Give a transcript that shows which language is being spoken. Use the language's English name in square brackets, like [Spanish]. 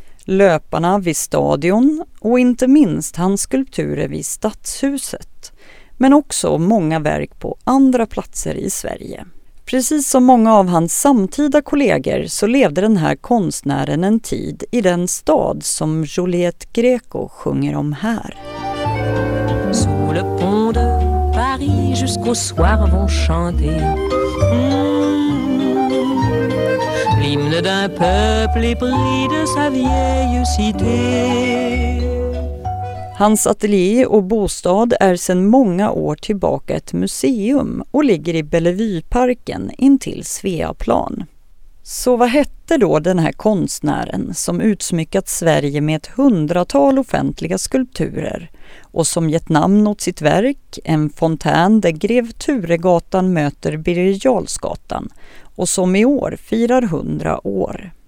[Swedish] Löparna vid stadion och inte minst hans skulpturer vid stadshuset, men också många verk på andra platser i Sverige. Precis som många av hans samtida kollegor så levde den här konstnären en tid i den stad som Juliette Gréco sjunger om här. [French] Sous le pont de Paris jusqu'au soir vont chanter. L'hymne d'un peuple épris de sa vieille cité. [Swedish] Hans ateljé och bostad är sedan många år tillbaka ett museum och ligger i Bellevueparken intill Sveaplan. Så vad hette då den här konstnären som utsmyckat Sverige med ett hundratal offentliga skulpturer och som gett namn åt sitt verk, en fontän där Grev Turegatan möter Birger Jarlsgatan och som i år firar 100 år.